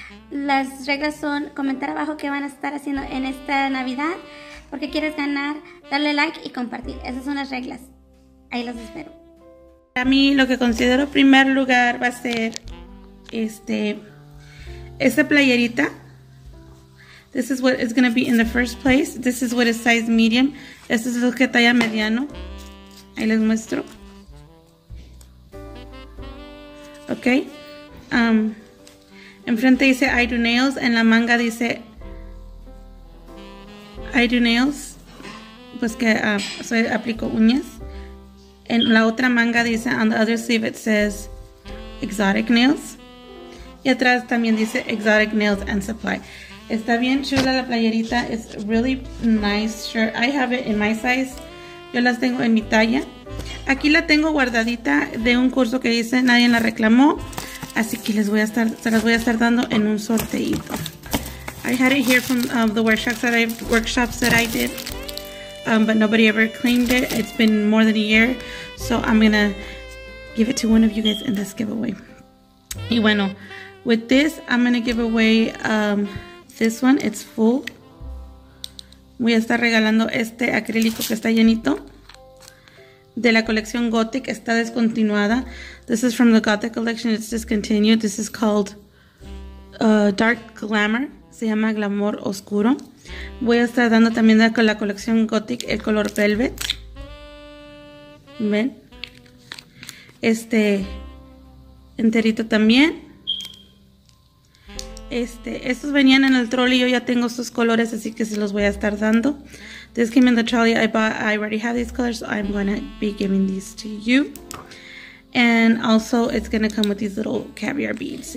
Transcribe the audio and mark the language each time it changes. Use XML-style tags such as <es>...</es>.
<es>Las reglas son comentar abajo qué van a estar haciendo en esta Navidad, porque quieres ganar, darle like y compartir. Esas son las reglas. Ahí los espero. Para mí, lo que considero primer lugar va a ser esta playerita.</es> <en>This is what is going to be in the first place. This is what is size medium.</en> <es>Este es lo que talla mediano. Ahí les muestro. Okay. Enfrente dice</es> <en>I do nails.</en> <es>En la manga dice</es> <en>I do nails.</en> <es>Pues que aplico uñas. En la otra manga dice</es> <en>on the other sleeve it says exotic nails.</en> <es>Y atrás también dice</es> <en>exotic nails and supply.</en> <es>Está bien chula la playerita.</es> <en>It's really nice shirt. I have it in my size.</en> <es>Yo las tengo en mi talla. Aquí la tengo guardadita de un curso que hice. Nadie la reclamó. Así que se las voy a estar dando en un sorteito.</es> <en>I had it here from the workshops that I did. But nobody ever claimed it. It's been more than a year. So I'm going to give it to one of you guys in this giveaway.</en> <es>Y bueno,</es> <en>with this, I'm going to give away... this one, it's full.</en> <es>Voy a estar regalando este acrílico que está llenito. De la colección Gothic, está descontinuada.</es> <en>This is from the Gothic collection, it's discontinued. This is called Dark Glamour.</en> <es>Se llama Glamour Oscuro. Voy a estar dando también de la colección Gothic el color Velvet. ¿Ven? Este enterito también. Estos venían en el trolley, yo ya tengo estos colores, así que se los voy a estar dando.</es> <en>This came in the trolley, I already have these colors, so I'm going to be giving these to you. And also, it's going to come with these little caviar beads.</en>